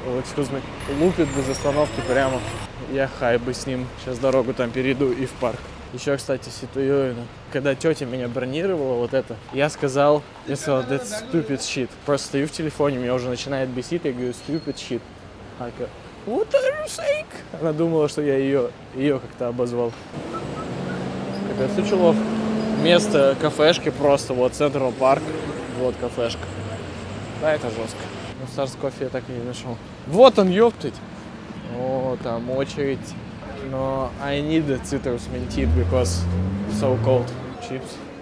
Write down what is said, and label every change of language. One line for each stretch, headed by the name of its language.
English: О, excuse me.
Russian: Лупит без остановки прямо. Я хай бы с ним. Сейчас дорогу там перейду и в парк. Еще, кстати, ситуирую. Когда тетя меня бронировала вот это, я сказал,
English: that's stupid shit.
Russian: Просто стою в телефоне, меня уже начинает бесить, я говорю,
English: stupid shit.
Russian: Она такая,
English: what are you saying?
Russian: Она думала, что я ее как-то обозвал. Какая сучелов. Место кафешки просто, вот Central Park, вот кафешка. Да, это жестко. Но Старс Кофе я так и не нашел. Вот он, ёптать. О, там очередь. Но
English: I need the citrus mint tea because so cold.
Russian: Чипс.